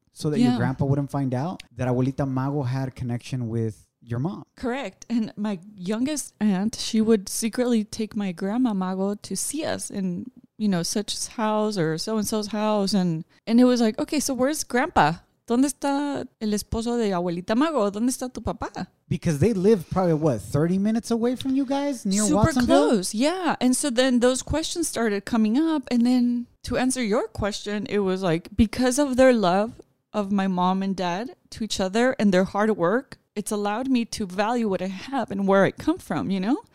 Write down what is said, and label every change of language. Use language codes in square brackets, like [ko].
[en] So that, yeah, your grandpa wouldn't find out that abuelita Mago had a connection with your mom. Correct. And my youngest aunt, she would secretly take my grandma Mago to see us in, you know, such house or so-and-so's house. And it was like, okay, so where's grandpa? [es] ¿Dónde está el esposo de abuelita Mago? ¿Dónde está tu papá? [en] Because they live probably, what, 30 minutes away from you guys near Super Watsonville? Super close, yeah. And so then those questions started coming up. And then to answer your question, it was like, because of their love of my mom and dad to each other and their hard work, it's allowed me to value what I have and where I come from, you know?